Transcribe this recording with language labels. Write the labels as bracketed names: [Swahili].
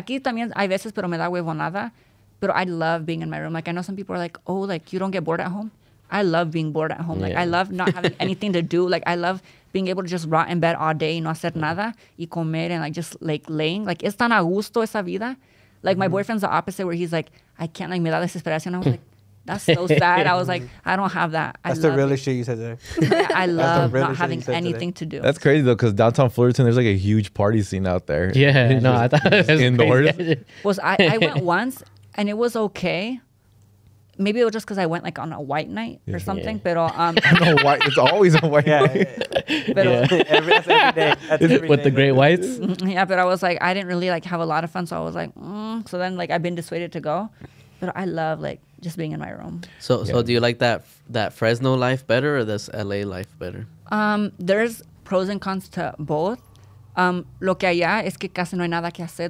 [Spanish] Aquí también hay veces, pero me da huevonada. [English] But I love being in my room. Like, I know some people are like, oh, like, you don't get bored at home? I love being bored at home. Like, I love not having anything to do. Like, I love being able to just rot in bed all day, [Spanish] no hacer nada, y comer, [English] and, like, just, like, laying. Like, [Spanish] es tan a gusto esa vida. [English] Like, my boyfriend's the opposite, where he's like, I can't, like, [Spanish] me da desesperación. [English] I was like, that's so sad. I was like, I don't have that. That's the realest shit you said today. I love not having anything to do. That's crazy, though, because downtown Fullerton, there's, like, a huge party scene out there. Yeah. No, I thought it was indoors. I went once. And it was okay. Maybe it was just because I went like on a white night or something. Yeah. But no, white. It's always a white night. Yeah. every day. With the great whites. Yeah, but I was like, I didn't really like have a lot of fun, so I was like, So then like I've been dissuaded to go. But I love like just being in my room. So do you like that Fresno life better or this LA life better? There's pros and cons to both. [Spanish] Lo que allá es que casi no hay nada que hacer.